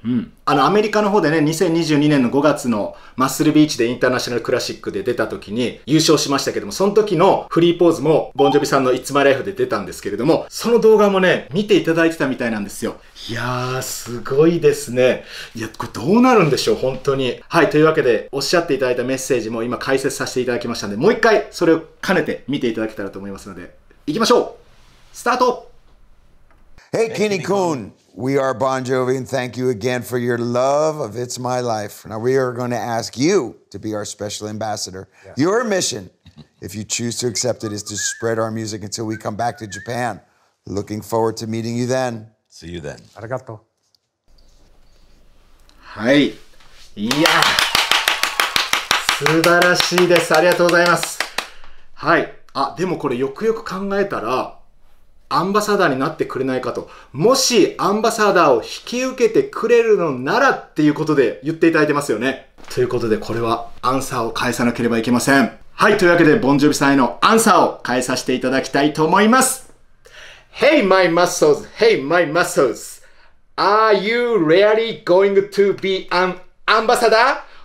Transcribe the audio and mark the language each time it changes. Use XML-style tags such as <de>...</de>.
<ja>うん、アメリカの方でね、2022年の5月のマッスルビーチでインターナショナルクラシックで出た時に優勝しましたけども、その時のフリーポーズもボンジョビさんの It's My Life で出たんですけれども、その動画もね、見ていただいてたみたいなんですよ。いやー、すごいですね。いや、これどうなるんでしょう、本当に。はい、というわけでおっしゃっていただいたメッセージも今解説させていただきましたので、もう一回それを兼ねて見ていただけたらと思いますので、行きましょう。スタート。</ja> <en>Hey, Kenny Coon. We are Bon Jovi, and thank you again for your love of It's My Life. Now, we are going to ask you to be our special ambassador. Yeah. Your mission, if you choose to accept it, is to spread our music until we come back to Japan. Looking forward to meeting you then. See you then.</en> <ja>Arigato.</ja> <en>Hi. Yeah.</en> <ja>素晴らしいです。ありがとうございます。はい。あ、でもこれよくよく考えたら、アンバサダーになってくれないかと。もしアンバサダーを引き受けてくれるのならっていうことで言っていただいてますよね。ということでこれはアンサーを返さなければいけません。はい。というわけで、ボンジョビさんへのアンサーを返させていただきたいと思います。</ja> <en>Hey, my muscles! Hey, my muscles! Are you really going to be an ambassador?</en>